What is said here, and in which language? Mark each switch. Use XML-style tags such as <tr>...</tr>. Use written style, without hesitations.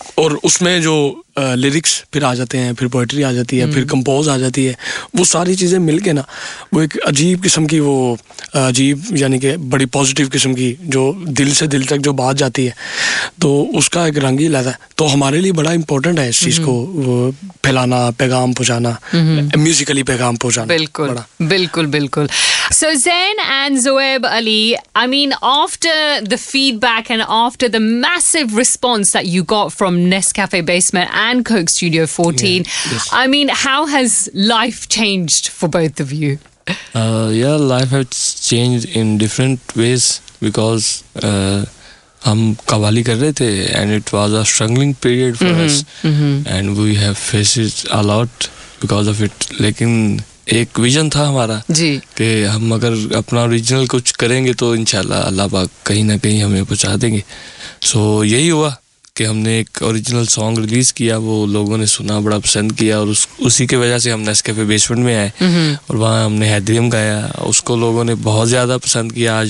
<hi>और उसमें जो लिरिक्स फिर आ जाते हैं, फिर पोएट्री आ जाती है, फिर कंपोज आ जाती है, वो सारी चीजें मिलके ना वो एक अजीब किस्म की, वो अजीब यानी कि बड़ी पॉजिटिव किस्म की जो दिल से दिल तक जो बात जाती है तो उसका एक रंग ही लाता है. तो हमारे लिए बड़ा इम्पोर्टेंट है इस चीज को फैलाना, पैगाम पहुंचाना, म्यूजिकली पैगाम पहुंचाना. बिल्कुल बिल्कुल बिल्कुल.</hi> <en>So Zain and Zohaib Ali, I mean, after the feedback and after the massive response that you got from Nescafe Basement and Coke Studio 14, I mean, how has life changed for both of you? Yeah, life has changed in different ways because</en> <hi>hum qawwali kar rahe the</hi> <en>and it was a struggling period for us. And we have faced a lot because of it.</en> <hi>Lekin एक vision था हमारा जी कि हम अगर अपना original कुछ करेंगे तो इंशाल्लाह अल्लाह पाक कहीं ना कहीं हमें पहुंचा देंगे. सो यही हुआ कि हमने एक ओरिजिनल सॉन्ग रिलीज किया, वो लोगों ने सुना, बड़ा पसंद किया और उसी के वजह से हम नेस्कैफे बेसमेंट में आए और वहाँ हमने हैदरियम गाया, उसको लोगों ने बहुत ज़्यादा पसंद किया.</hi>